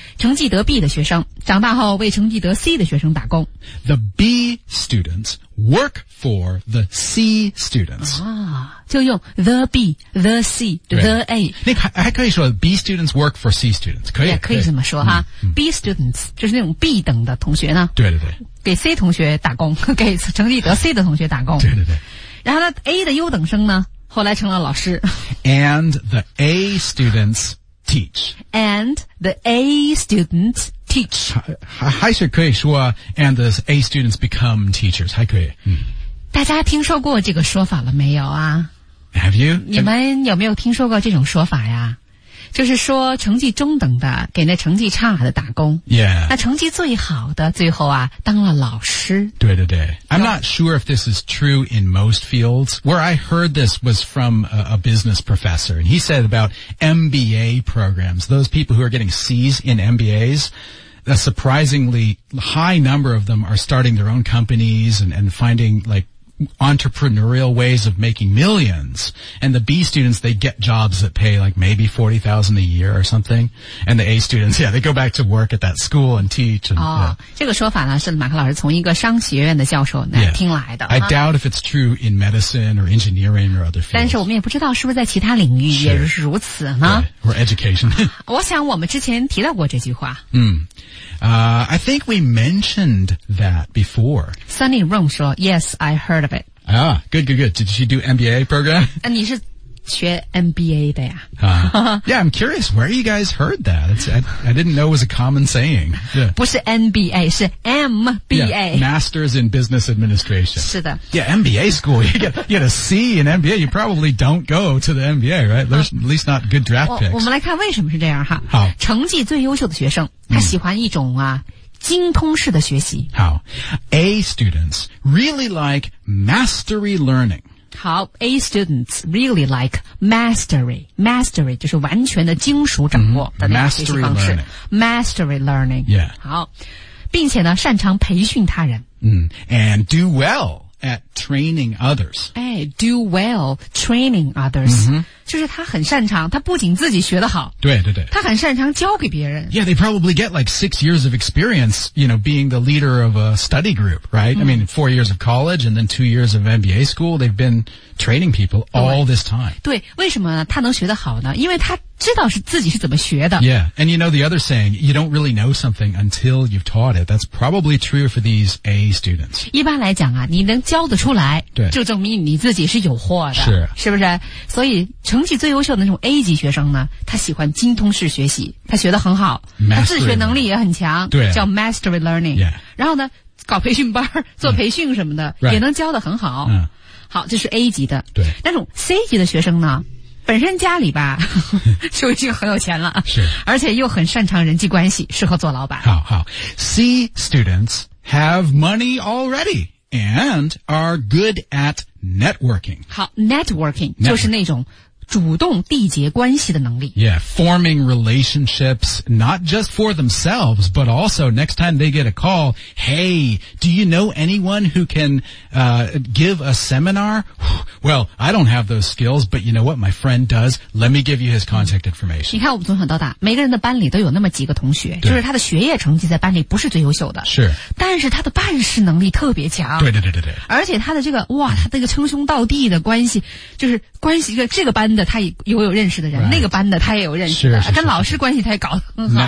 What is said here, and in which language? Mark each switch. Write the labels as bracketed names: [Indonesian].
[Chinese] 成绩得 B 的学生长大后为成绩得 C 的学生打工。 [English] The B students work for the C students. [Chinese] 啊，就用 [English] the B, the C, the A。 [Chinese] 你还可以说 [English] B students work for C students, [Chinese] 可以。也可以这么说哈。 [English] B students, [Chinese] 就是那种 B 等的同学呢。对对对。给 C 同学打工，给成绩得 C 的同学打工。对对对。然后呢 A 的优等生呢后来成了老师。 [English] And the A students teach. And the A students teach. [Chinese] 还是可以说 [English] and the A students become teachers. [Chinese] 还可以。大家听说过这个说法了没有啊 [English] Have you? [Chinese] 你们有没有听说过这种说法呀就是说成绩中等的给那成绩差的打工。 [English] Yeah. [Chinese] 那成绩最好的最后啊当了老师。对对对。 [English] I'm not sure if this is true in most fields. Where I heard this was from a business professor. And he said about MBA programs, those people who are getting C's in MBAs,a surprisingly high number of them are starting their own companies and finding like entrepreneurial ways of making millions. And the B students, they get jobs that pay like maybe $40,000 a year or something. And the A students, yeah, they go back to work at that school and teach. And, [Chinese] 哦、 [English] yeah. [Chinese] 这个说法呢是马克老师从一个商学院的教授那、 [English] yeah. [Chinese] 听来的。 [English] I doubt if it's true in medicine or engineering or other fields. [Chinese] 但是我们也不知道是不是在其他领域也是如此呢、 [English] yeah. Or education. [Chinese] 我想我们之前提到过这句话。 [English] 嗯、mm. I think we mentioned that before. Sunny Rong 说 Yes, I heard of it. Ah, good, good, good. Did she do MBA program? [Chinese] 你是学 MBA 的呀、 [English] Yeah, I'm curious. Where you guys heard that? I didn't know it was a common saying.、Yeah. [Chinese] 不是 NBA, 是 MBA. [English] Yeah, Masters in Business Administration. [Chinese] 是的。 [English] Yeah, MBA school. You get a C in MBA, you probably don't go to the MBA, right? There's at least not good draft picks. [Chinese] 我们来看为什么是这样哈。好。成绩最优秀的学生他喜欢一种啊、精通式的学习。 [English] 好。A students really like mastery learning. [Chinese] 好 [English] A students really like mastery [Chinese] 就是完全的精熟掌握的那种学习方式 [English] mastery learning、yeah. [Chinese] 好并且呢擅长培训他人、 [English] and do well at training others、 [Chinese] 哎、 [English] do well training others、 [Chinese] 就是他很擅长他不仅自己学得好对对对他很擅长教给别人 [English] yeah they probably get like 6 years of experience you know being the leader of a study group right、I mean 4 years of college and then 2 years of MBA school they've been training people all this time [Chinese] 对为什么他能学得好呢因为他知道是自己是怎么学的 [English] yeah and you know the other saying you don't really know something until you've taught it that's probably true for these A students [Chinese] 一般来讲啊你能教得出来对就证明你自己是有货的是是不是所以成绩最优秀的那种 A 级学生呢他喜欢精通式学习他学得很好、 [English] mastery、 [Chinese] 他自学能力也很强对叫 mastery learning、 [English] yeah. [Chinese] 然后呢搞培训班做培训什么的、 [English] right. [Chinese] 也能教得很好、好这是 A 级的对那种 C 级的学生呢本身家里吧就已经很有钱了是而且又很擅长人际关系适合做老板 [English] 好好 C students have money already and are good at networking [Chinese] 好 networking 就是那种主动缔结关系的能力 [English] Yeah, forming relationships not just for themselves but also next time they get a call Hey, do you know anyone who can give a seminar? Well, I don't have those skills but you know what my friend does Let me give you his contact information [Chinese] 你看我们从小到大每个人的班里都有那么几个同学就是他的学业成绩在班里不是最优秀的是但是他的办事能力特别强对对对对对而且他的这个哇他这个称兄道弟的关系就是关系这个班的他也有认识的人、 [English] right. [Chinese] 那个班的他也有认识的跟老师关系他也搞得很好